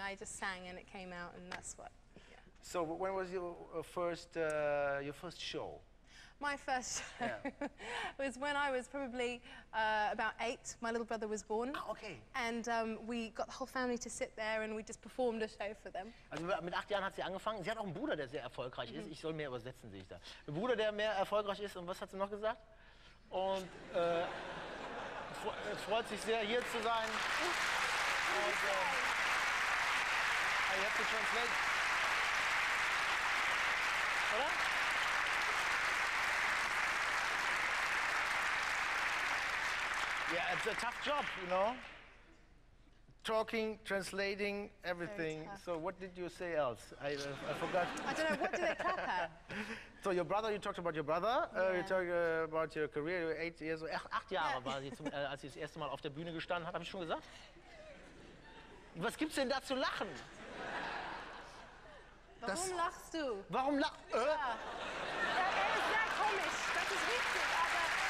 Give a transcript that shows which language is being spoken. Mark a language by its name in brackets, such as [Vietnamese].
[English] I just sang and it came out, and that's what, yeah. So when was your first show? My first show was when I was probably about 8. My little brother was born. Ah, okay. And we got the whole family to sit there and we just performed a show for them. [German] Also mit 8 Jahren hat sie angefangen. Sie hat auch einen Bruder, der sehr erfolgreich ist. Ich soll mehr übersetzen, sehe ich da. Ein Bruder, der mehr erfolgreich ist. Und was hat sie noch gesagt? Und freut sich sehr, hier zu sein. Okay. [English] I have to translate. [German] Oder? [English] Yeah, it's a tough job, you know. Talking, translating, everything. So what did you say else? I forgot. I don't know, what did they clap at? So your brother, you talked about your brother. Yeah. You talked about your career. You were 8 years old. [German] 8 Jahre war sie, als sie das erste Mal auf der Bühne gestanden hat. Habe ich schon gesagt? Was gibt's denn da zu lachen? Warum lachst du? Warum lachst du? Ja. Ja, er ist sehr komisch, das ist richtig, aber...